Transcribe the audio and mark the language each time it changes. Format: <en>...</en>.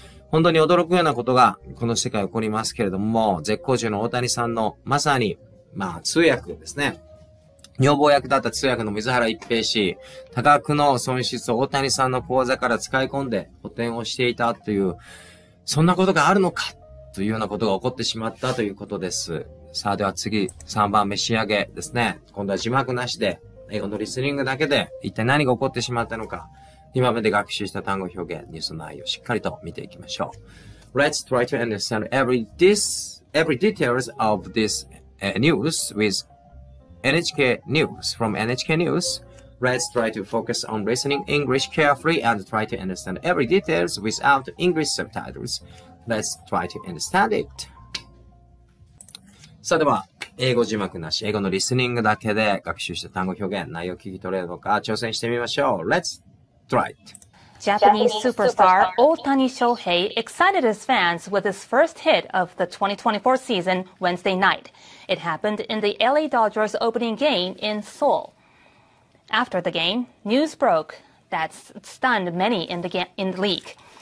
<ja>本当に驚くようなことがこの世界起こりますけれども、絶好調の大谷さんのまさにまあ通訳ですね、女房役だった通訳の水原一平氏、多額の損失を大谷さんの口座から使い込んで補填をしていたという、そんなことがあるのかというようなことが起こってしまったということです。さあでは次、3番目、仕上げですね。今度は字幕なしで英語のリスニングだけで、一体何が起こってしまったのか、今まで学習した単語表現、ニュースの内容をしっかりと見ていきましょう。</ja> <en>Let's try to understand every details of this news with NHK News. From NHK News, let's try to focus on listening English carefully and try to understand every details without English subtitles. Let's try to understand it.</en> <ja>さあでは、英語字幕なし、英語のリスニングだけで学習した単語表現、内容を聞き取れるのか挑戦してみましょう。</ja> <en>Let's. Right. Japanese superstar Otani Shohei excited his fans with his first hit of the 2024 season Wednesday night. It happened in the LA Dodgers opening game in Seoul. After the game, news broke that stunned many in the league.</en>